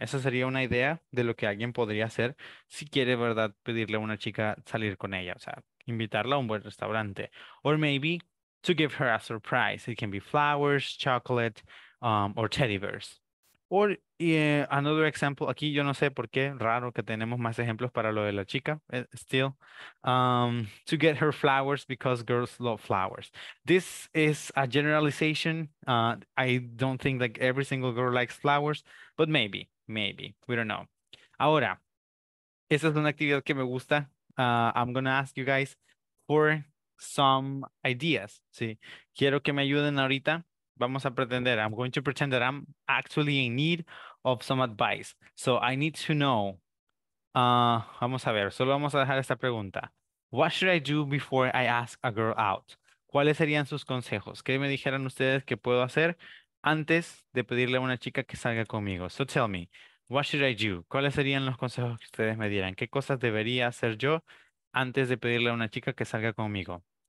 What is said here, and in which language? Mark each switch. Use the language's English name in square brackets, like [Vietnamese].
[Spanish] Esa sería una idea de lo que alguien podría hacer si quiere, ¿verdad?, pedirle a una chica salir con ella, o sea, invitarla a un buen restaurante. [English] Or maybe to give her a surprise. It can be flowers, chocolate, or teddy bears. Or another example, [Spanish] aquí yo no sé por qué, raro que tenemos más ejemplos para lo de la chica, still. [English] To get her flowers because girls love flowers. This is a generalization. I don't think that every single girl likes flowers, but maybe, maybe, we don't know. [Spanish] Ahora, esa es una actividad que me gusta. [English] I'm going to ask you guys for some ideas. [Spanish] Sí, quiero que me ayuden ahorita. Vamos a pretender. [English] I'm going to pretend that I'm actually in need of some advice. So I need to know. [Spanish] Vamos a ver. Solo vamos a dejar esta pregunta. [English] What should I do before I ask a girl out? [Spanish] ¿Cuáles serían sus consejos? ¿Qué me dijeran ustedes que puedo hacer antes de pedirle a una chica que salga conmigo? [English] So tell me. What should I do? [Spanish] ¿Cuáles serían los consejos que ustedes me dieran? ¿Qué cosas debería hacer yo antes de pedirle a una chica que salga conmigo?